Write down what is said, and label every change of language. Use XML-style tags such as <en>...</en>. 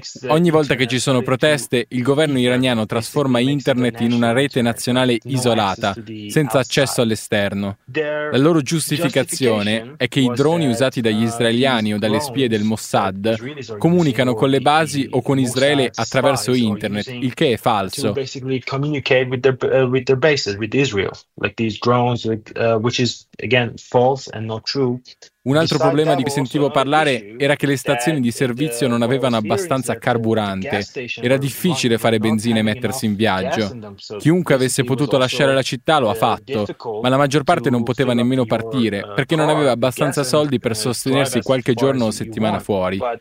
<it>Ogni volta che ci sono proteste, il governo iraniano trasforma internet in una rete nazionale isolata, senza accesso all'esterno. La loro giustificazione è che i droni usati dagli israeliani o dalle spie del Mossad comunicano con le basi o con Israele attraverso internet, il che è falso.</it> <en>Communicate with their bases, with Israel, like these drones, which is again false and not true.</en> <it>Un altro problema di cui sentivo parlare era che le stazioni di servizio non avevano abbastanza carburante. Era difficile fare benzina e mettersi in viaggio. Chiunque avesse potuto lasciare la città lo ha fatto, ma la maggior parte non poteva nemmeno partire, perché non aveva abbastanza soldi per sostenersi qualche giorno o settimana fuori.</it>